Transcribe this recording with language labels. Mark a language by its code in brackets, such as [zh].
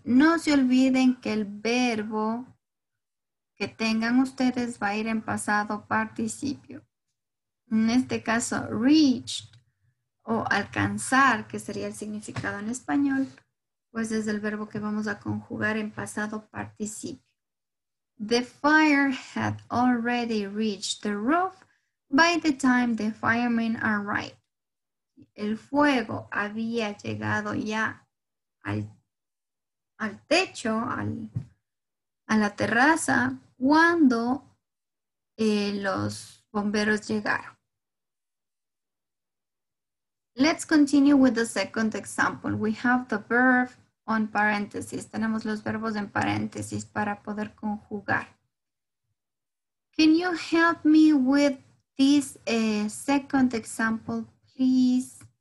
[es] No se olviden que el verbo que tengan ustedes va a ir en pasado participio. En este caso, reached o alcanzar, que sería el significado en español, pues es el verbo que vamos a conjugar en pasado participio. [en] The fire had already reached the roof by the time the firemen arrived. [es] El fuego había llegado ya al techo, a la terraza, cuando los bomberos llegaron. [en] Let's continue with the second example. We have the verb on parentheses. [es] Tenemos los verbos en paréntesis para poder conjugar. [en] Can you help me with this second example, please?